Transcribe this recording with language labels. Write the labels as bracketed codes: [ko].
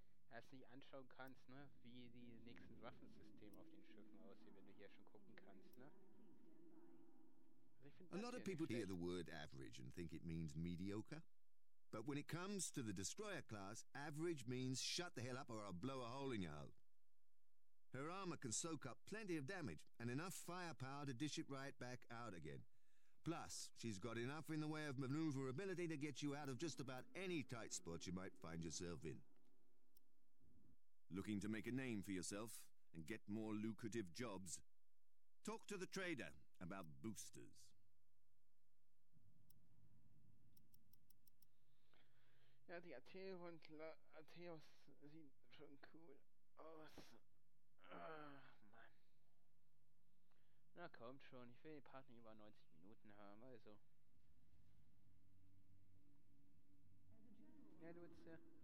[de] Dass du nicht anschauen kannst, ne, wie die nächsten Waffensysteme auf den Schiffen aussehen, wenn du hier schon gucken kannst, ne? [en] A lot of people hear the word average and think it means mediocre. But when it comes to the destroyer class, average means shut the hell up or I'll blow a hole in your hull. Her armor can soak up plenty of damage and enough firepower to dish it right back out again. Plus, she's got enough in the way of maneuverability to get you out of just about any tight spot you might find yourself in. Looking to make a name for yourself and get more lucrative jobs? Talk to the trader about boosters. [de] Ja, die Atheos und Atheos sehen schon cool aus. Mann. Na kommt schon, ich will den Part nicht über 90 Minuten haben, also. Ja, du willst ja.